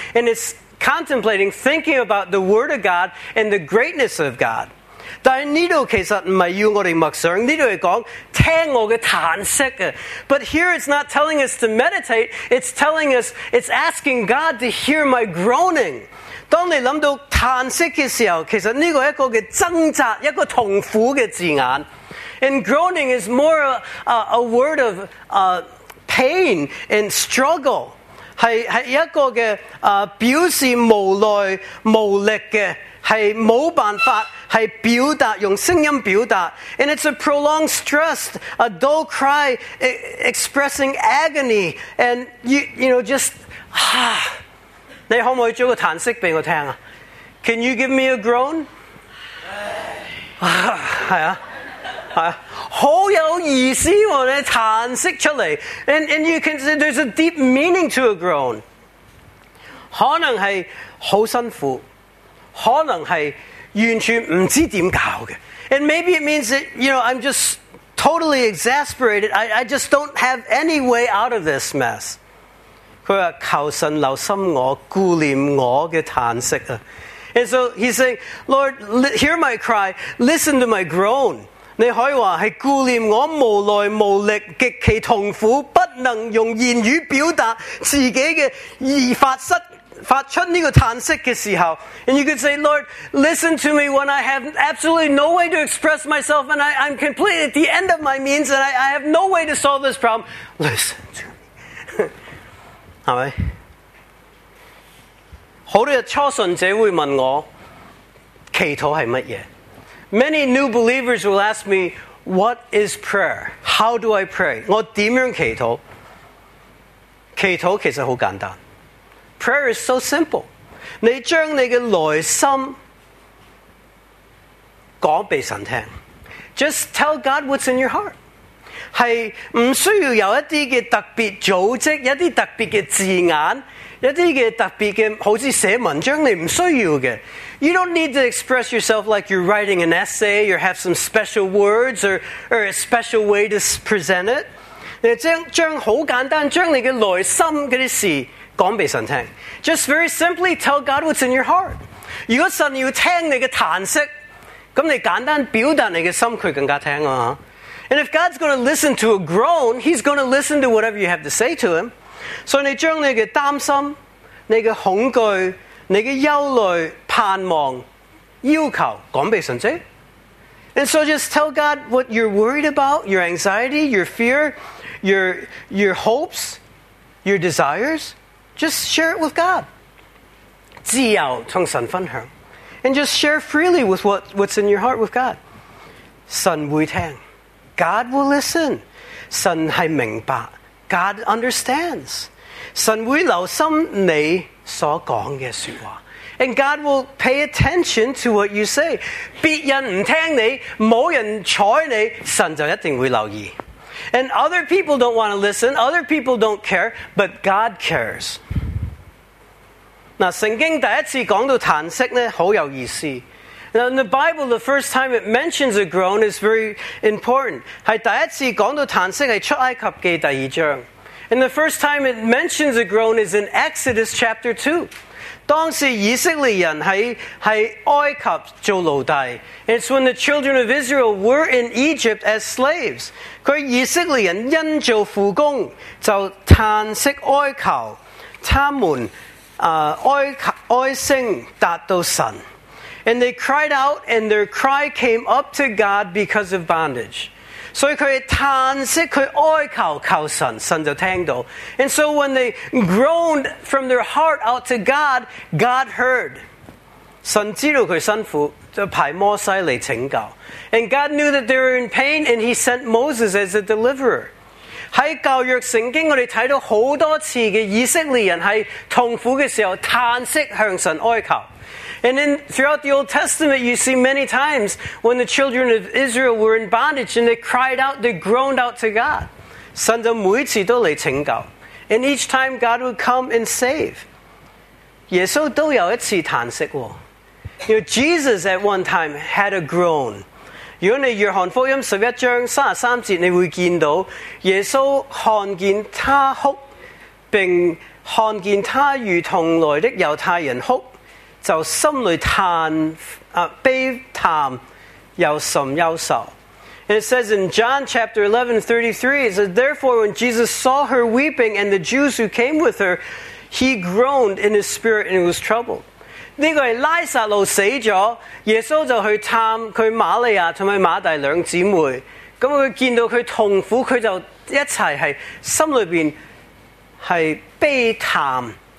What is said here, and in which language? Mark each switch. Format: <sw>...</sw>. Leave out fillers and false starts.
<en>And it's contemplating, thinking about the word of God and the greatness of God.</en> <zh>但是这里其实不是要我们默想，这里是说听我的叹息。</zh> <en>But here it's not telling us to meditate, it's telling us, it's asking God to hear my groaning.</en> <zh>当你想到叹息的时候，其实这个是一个挣扎，一个痛苦的字眼。</zh> <en>And groaning is more a word of pain and struggle.</en> <zh>是一个的表示无奈无力的，是没办法是表达，用声音表达。</zh> <en>And it's a prolonged stress, a dull cry expressing agony. And you know, just,</en> <zh>你可不可以做个叹息给我听？</zh> <en>Can you give me a groan?</en> <zh>是啊，好有意思啊，你叹息出来。</zh> <en>And you can say there's a deep meaning to a groan.</en> <zh>可能是很辛苦，可能是完全不知怎么搞的。</zh> <en>And maybe it means that, you know, I'm just totally exasperated. I just don't have any way out of this mess.</en> <zh>他说，求神留心我，顾念我的叹息。</zh> <en>And so he's saying, Lord, hear my cry, listen to my groan.</en> <zh>你可以说是顾念我无奈无力，极其痛苦，不能用言语表达自己的疑发失发出这个叹息的时候。</zh> <en>And you could say, Lord, listen to me when I have absolutely no way to express myself and I'm completely at the end of my means and I have no way to solve this problem. Listen to me.</en> <zh>是吧？好多初信者会问我祈祷是什么。</zh> <en>Many new believers will ask me, what is prayer? How do I pray?</en> <zh>我怎样祈祷？祈祷其实很简单。</zh> <en>Prayer is so simple.</en> <zh>你将你的内心讲给神听。</zh> <en>Just tell God what's in your heart.</en> <zh>是不需要有一些特别组织，一些特别的字眼，一些特别的好像写文章，你不需要的。</zh> <en>You don't need to express yourself like you're writing an essay or have some special words or a special way to present it.</en> <zh>你将很简单，将你的内心那些事讲给神听。</zh> <en>Just very simply tell God what's in your heart.</en> <zh>如果神要听你的叹息，那你简单表达你的心，他更加听啊。</zh> <en>And if God's going to listen to a groan, He's going to listen to whatever you have to say to Him.</en> <zh>所以你将你的担心、你的恐惧、你的忧虑、盼望、要求讲给神听。</zh> <en>And so just tell God what you're worried about, your anxiety, your fear, your hopes, your desires. Just share it with God.</en> <zh>自由同神分享。</zh> <en>And just share freely with what's in your heart with God.</en> <zh>神会听。</zh> <en>God will listen.</en> <zh>神是明白。</zh> <en>God understands.</en> <zh>神会留心你所讲的说话。</zh> <en>And God will pay attention to what you say.</en> <zh>别人不听你，没人睬你，神就一定会留意。</zh> <en>And other people don't want to listen, other people don't care, but God cares.</en> <zh>圣经第一次讲到叹息呢，很有意思。</zh> <en>Now in the Bible, the first time it mentions a groan is very important.</en> <zh>是第一次讲到叹息，是出埃及记第二章。</zh> <en>And the first time it mentions a groan is in Exodus chapter 2.</en> <zh>当时以色列人在埃及做奴隶。</zh> <en>And it's when the children of Israel were in Egypt as slaves.</en> <zh>他以色列人因做苦工就叹息哀求，他们哀声达到神。</zh> <en>And they cried out, and their cry came up to God because of bondage.</en> <zh>所以他们叹息，他们哀求，求神，神就听到。</zh> <en>And so when they groaned from their heart out to God, God heard.</en> <zh>神知道他辛苦，就派摩西来拯救。</zh> <en>And God knew that they were in pain, and he sent Moses as a deliverer.</en> <zh>在教育圣经我们看到很多次的以色列人在痛苦的时候叹息向神哀求。</zh> <en>And then throughout the Old Testament, you see many times when the children of Israel were in bondage and they cried out, they groaned out to God.</en> <zh>神就每次都来拯救。</zh> <en>And each time God would come and save.</en> <zh>耶稣都有一次叹息过。</zh> <en>You know, Jesus at one time had a groan.</en> <zh>如果你约翰福音十一章三十三节，你会见到耶稣看见他哭，并看见他与同来的犹太人哭，就心里叹啊悲叹，又甚忧愁。</zh> <en>And it says in John chapter 11, 33, it says, therefore, when Jesus saw her weeping and the Jews who came with her, he groaned in his spirit and was troubled.</en> <zh>这个是拉撒路死了，耶稣就去探他玛利亚和马大两姊妹，他见到他痛苦，他就一起是心里面是悲叹。</zh>